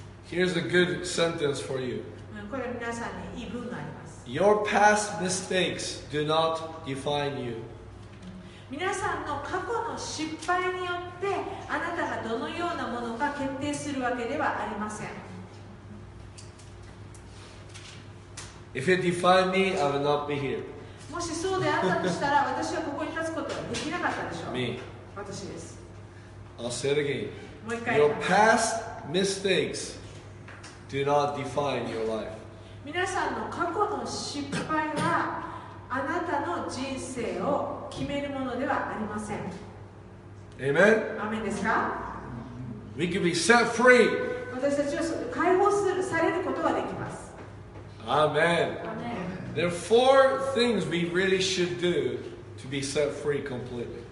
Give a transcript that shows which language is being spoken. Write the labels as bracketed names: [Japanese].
[English] Here's a good sentence for you. [Japanese] これ皆さんにいい文があります。 [English] Your past mistakes do not define you. [Japanese] 皆さんの過去の失敗によってあなたがどのようなものか決定するわけではありません。 [English] If it defined me, I would not be here. [Japanese] もしそうであったとしたら私はここに立つことはできなかったでしょう。 [English] Me. [Japanese] 私です。 [English] I'll say it again. [Japanese] もう一回言います。 [English] Your past mistakes. Do not define your life. [Japanese] 皆さんの過去の失敗はあなたの人生を決めるものではありません。 [English] Amen? [Japanese] アメンですか? [English] We can be set free. [Japanese] 私たちは解放する、されることができます。 [English] Amen. Amen. There are four things we really should do to be set free completely.